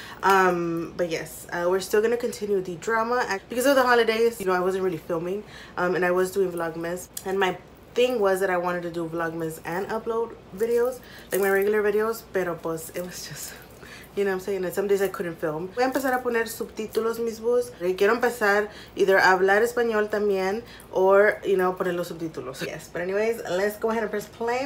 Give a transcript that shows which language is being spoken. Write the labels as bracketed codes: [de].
[en] But yes, we're still gonna continue the drama because of the holidays. You know, I wasn't really filming, and I was doing Vlogmas, and my thing was that I wanted to do Vlogmas and upload videos, like my regular videos, [es] pero pues [en] it was just, you know what I'm saying? And some days I couldn't film. [es] Voy a empezar a poner subtítulos mismos. Quiero empezar [en] either [es] a hablar español también [en] or, you know, [es] poner los subtítulos. [en] Yes, but anyways, let's go ahead and press play.